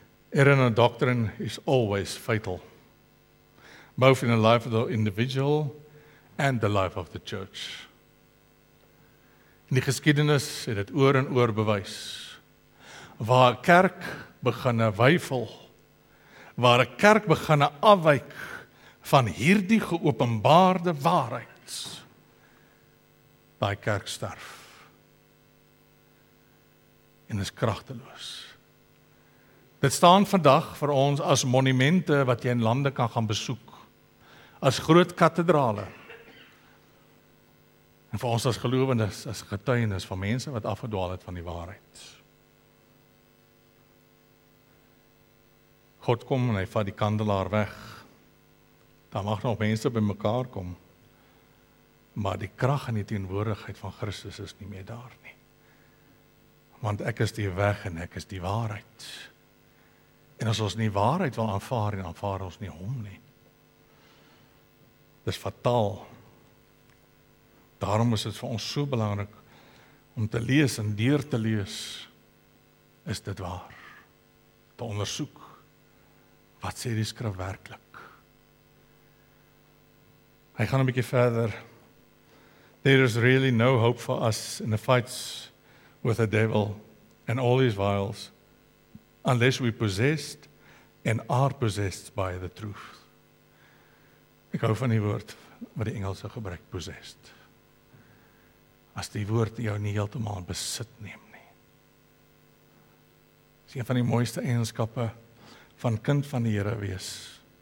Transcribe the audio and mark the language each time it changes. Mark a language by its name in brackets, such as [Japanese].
[English] Erin a doctrine is always fatal, both in the life of the individual and the life of the church. [Afrikaans] In die geskiedenis het dit oor en oor bewys. Waar kerk begin weifel, waar kerk begin afwyk van hierdie geopenbaarde waarheid, by kerk sterf en is kragteloos. Dit staan vandag vir ons as monumente wat jy in lande kan gaan besoek, as groot kathedrale, en vir ons as gelowendes, as getuienis van mense wat afgedwaal het van die waarheid. God kom en hy vat die kandelaar weg, daar mag nog mense by mekaar kom, maar die krag en die teenwoordigheid van Christus is nie meer daar nie, want ek is die weg en ek is die waarheid. En as ons nie waarheid wil aanvaar, en aanvaar ons nie hom nie. Dis fataal. Daarom is dit vir ons so belangrik, om te lees en deur te lees, is dit waar. Te ondersoek, wat sê die skrif werklik? Hy gaan 'n bietjie verder. [English] There is really no hope for us in the fights with the devil and all his wiles, unless we possessed and are possessed by the truth. [Afrikaans] Ek hou van die woord wat die Engelse gebruik, possessed. As die woord jou nie heeltemal besit neem nie. Dis een van die mooiste eienskappe van kind van die Here wees.